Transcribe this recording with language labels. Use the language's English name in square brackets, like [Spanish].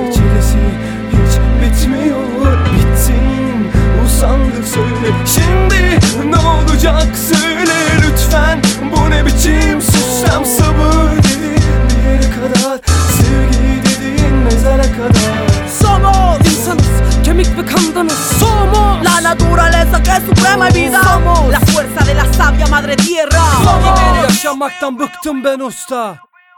[Turkish] Çilesi hiç bitmiyor, bitsin, usandık söyle. Şimdi ne olacak söyle lütfen, bu ne biçim sistem, sabır dedin bir yere kadar, sevgi dedin mezara kadar. [Spanish] Somos [Turkish] insanız, kemik ve kandanız, [Spanish] somos la naturaleza que es suprema y vida, somos la fuerza de la sabia madre tierra, somos. [Turkish] Yaşamaktan bıktım ben usta.